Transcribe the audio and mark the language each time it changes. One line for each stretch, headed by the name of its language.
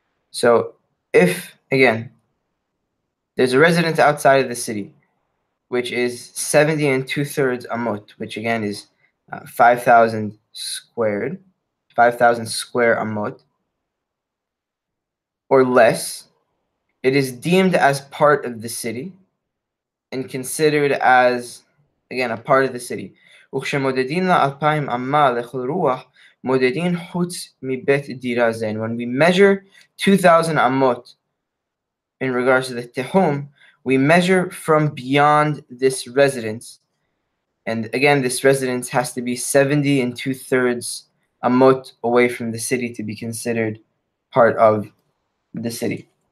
English: So if, again, there's a residence outside of the city, which is 70 and 2/3 amot, which again is 5,000 square amot, or less, it is deemed as part of the city and considered as, again, a part of the city.
Hebrew: וכשמודדין לאלפיים אמה לכל רוח, מודדין חוץ מבית דירה זה.
English: And when we measure 2,000 amot in regards to the tehum, we measure from beyond this residence. And again, this residence has to be 70 and 2/3 amot away from the city to be considered part of the city.